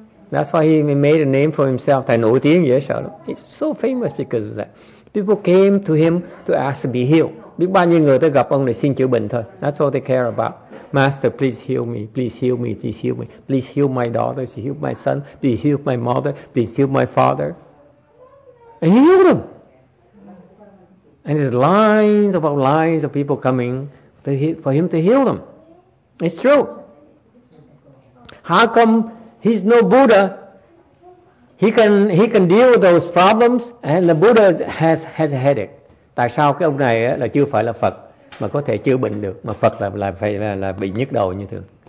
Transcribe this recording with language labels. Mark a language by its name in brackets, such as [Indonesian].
[English] That's why he made a name for himself. [Vietnamese] Thầy nổi tiếng dễ sợ lắm. [English] He's so famous because of that. People came to him to ask to be healed. [Vietnamese] Biết bao nhiêu người tới gặp ông để xin chữa bệnh thôi. [English] That's all they care about. Master, please heal me. Please heal me. Please heal me. Please heal my daughter. Please heal my son. Please heal my mother. Please heal my father. And he healed them. And there's lines about lines of people coming to for him to heal them. It's true. How come he's no Buddha? He can deal with those problems, and the Buddha has a headache. [Vietnamese] Tại sao cái ông này là chưa phải là Phật mà có thể chữa bệnh được, mà Phật là phải là bị nhức đầu như thường?